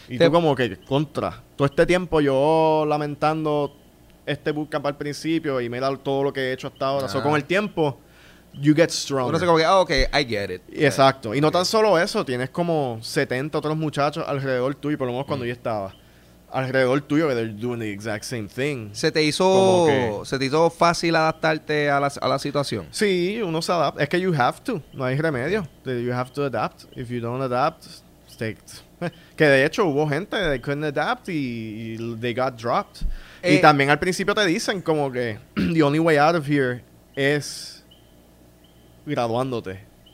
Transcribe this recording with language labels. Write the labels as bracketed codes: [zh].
[es] Y tú como que, contra, todo este tiempo yo lamentando este bootcamp al principio y mira todo lo que he hecho hasta ahora. [en] So [es] con el tiempo, [en] you get stronger. [es] Uno se como que, oh, ok, [en] I get it. [es] Exacto. Y no tan solo eso, tienes como 70 otros muchachos alrededor tuyo, por lo menos cuando yo estaba. Alrededor tuyo, que [en] they're doing the exact same thing. [es] ¿Se te hizo fácil adaptarte a la situación? Sí, uno se adapta. Es que [en] you have to. [es] No hay remedio. [en] You have to adapt. If you don't adapt, stay. [es] Que de hecho hubo gente que [en] they couldn't adapt y they got dropped. [es] Y también al principio te dicen como que [en] the only way out of here [es] es graduándote.